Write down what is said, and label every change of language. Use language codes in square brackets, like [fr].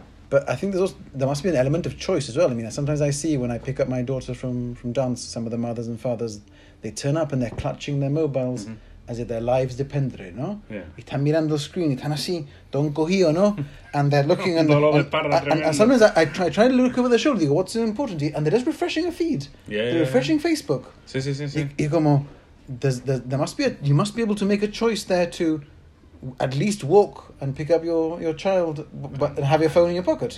[en] But I think there must be an element of choice as well. Sometimes I see when I pick up my daughter from dance, some of the mothers and fathers, they turn up and they're clutching their mobiles. Mm-hmm. As if their lives depended, no? Yeah. [es] Están mirando el screen, están así, don cogido, no? [en] And they're looking and and sometimes I try to look over the shoulder, digo, what's important? And they're just refreshing a feed. They're refreshing Facebook. [es] Sí. Y como, [en] there must be a, you must be able to make a choice there to at least walk and pick up your child, but and have your phone in your pocket.